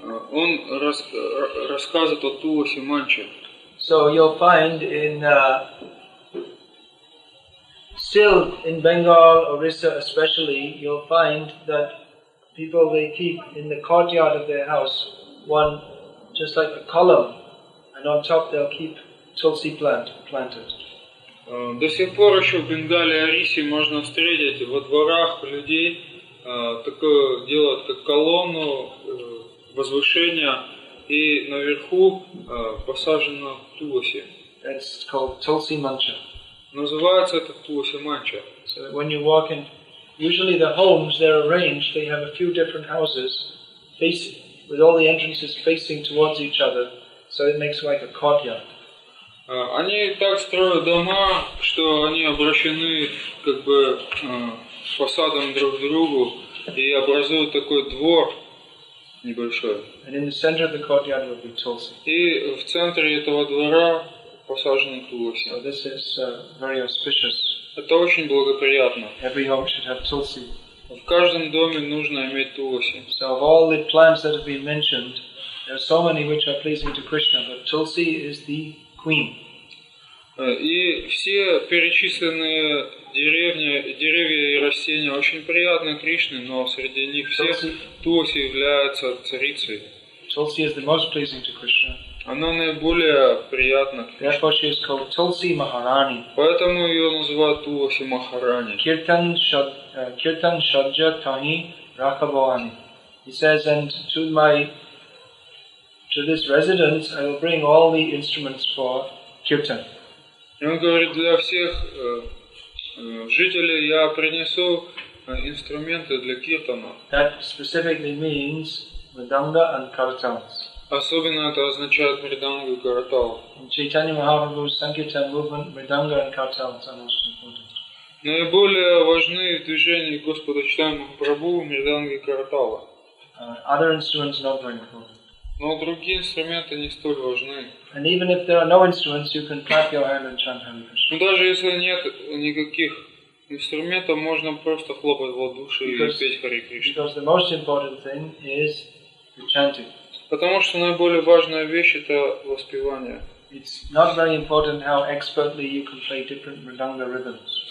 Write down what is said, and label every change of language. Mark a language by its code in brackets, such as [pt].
[ru] Он рассказывает о Тулси Манче. [en] So you'll find in still in Bengal, Orissa especially, you'll find that people they keep in the courtyard of their house one just like a column, and on top they'll keep tulsi plant planted. [ru] До сих пор еще в Бенгале Орисе можно встретить во дворах людей такое делают как колонну возвышения и наверху посажено туласи. [en] It's called tulsi mancha. [ru] Называется это туласи манча. [en] So when you walk in, usually the homes they're arranged, they have a few different houses facing, with all the entrances facing towards each other, so it makes like a courtyard. [ru] Они так строят дома, что они обращены как бы фасадом друг к другу и образуют такой двор небольшой. [en] And in the center of the courtyard will be tulsi. [ru] И в центре этого двора посажены туласи. [en] So this is very auspicious. [ru] Это очень благоприятно. [en] Every home should have tulsi. [ru] В каждом доме нужно иметь туласи. [en] So of all the plants that have been mentioned, there are so many which are pleasing to Krishna, but tulsi is the queen. [ru] И все перечисленные деревья и растения очень приятны Кришне, но среди них всех туласи является царицей. [en] Tulsi is the most pleasing to Krishna. [ru] Она наиболее приятна. [en] Therefore she is called Tulsi Maharani. [ru] Поэтому ее называют Туласи Махарани. [bn] Kirtan Shadja Tani Rakhavani. [en] He says, and to this residence I will bring all the instruments for kirtan. [ru] И он говорит, для всех жителей я принесу инструменты для киртана. [en] That specifically means mridanga and kartans. [ru] Особенно это означает мриданга и картал. [en] In Chaitanya Mahaprabhu's sankirtan movement, mridanga and kartans are most important. [ru] Наиболее важны движения Господа Чайтанья Махапрабху, мриданга и картала. [en] Other instruments not very important. [ru] Но другие инструменты не столь важны. [en] And even if there are no instruments, you can clap your hand and chant Hare Krishna. [ru] Даже если нет никаких инструментов, можно просто хлопать в ладоши и петь Харе Кришна. [en] Because the most important thing is the chanting. [ru] Потому что наиболее важная вещь это воспевание. [en] It's not very important how expertly you can play different mridanga rhythms.